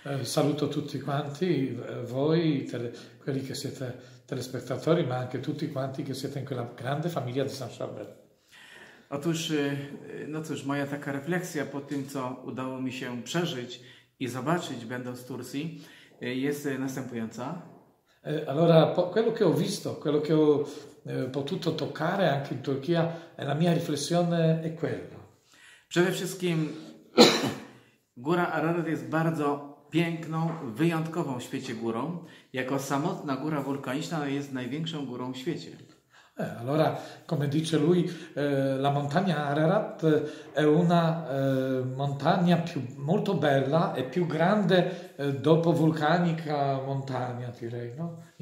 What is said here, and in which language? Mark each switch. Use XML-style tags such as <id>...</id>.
<it>Saluto tutti quanti, voi, quelli che siete telespettatori, ma anche tutti quanti che siete in quella grande famiglia di San Charbel.</it> <pl>Otóż, no cóż, moja taka refleksja po tym, co udało mi się przeżyć i zobaczyć będąc w Turcji, jest następująca.</pl> <it>Allora, quello che ho visto, quello che ho potuto toccare anche in Turchia, la mia riflessione è quella.</it> <pl>Przede wszystkim Góra Ararat jest bardzo piękną, wyjątkową w świecie górą. Jako samotna góra wulkaniczna jest największą górą w świecie.</pl> <it>Allora, come dice lui, la montagna Ararat è una montagna più, molto bella e più grande dopo vulcanica montagna, direi, no?</it>